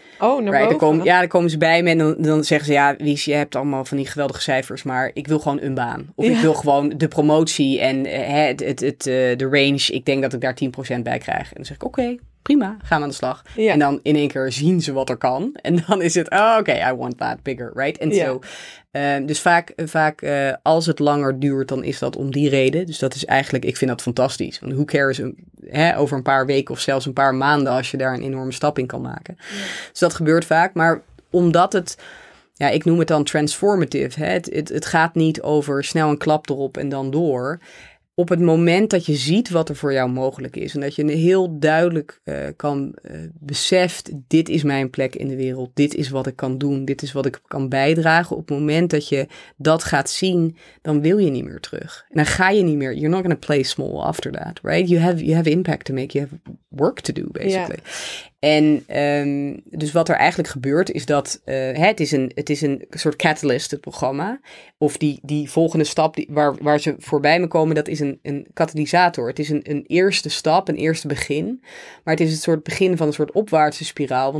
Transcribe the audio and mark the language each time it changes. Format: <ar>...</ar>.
<nl>Oh, naar boven? Dan komen ze bij me en dan zeggen ze, ja, Wies, je hebt allemaal van die geweldige cijfers, maar ik wil gewoon een baan. Of ik wil gewoon de promotie en de range. Ik denk dat ik daar 10% bij krijg. En dan zeg ik, oké. Prima, gaan we aan de slag. Ja. En dan in één keer zien ze wat er kan. En dan is het,</nl> <en>I want that bigger, right?</en> <nl>En zo. Dus vaak als het langer duurt, dan is dat om die reden. Dus dat is eigenlijk, ik vind dat fantastisch. Want</nl> <en>who cares</en> <nl>over een paar weken of zelfs een paar maanden als je daar een enorme stap in kan maken. Ja. Dus dat gebeurt vaak. Maar omdat het, ja, ik noem het dan transformative. Hè? Het gaat niet over snel een klap erop en dan door. op het moment dat je ziet wat er voor jou mogelijk is. En dat je heel duidelijk beseft, dit is mijn plek in de wereld. Dit is wat ik kan doen. Dit is wat ik kan bijdragen. Op het moment dat je dat gaat zien, dan wil je niet meer terug. En dan ga je niet meer.</nl> <en>You're not going to play small after that, right? You have impact to make. You have work to do, basically. Yeah.</en> <nl>En dus wat er eigenlijk gebeurt is dat het is een soort catalyst, het programma. Of die volgende stap waar ze voorbij me komen, dat is een katalysator. Het is een eerste stap, een eerste begin. Maar het is het soort begin van een soort opwaartse spiraal.</nl>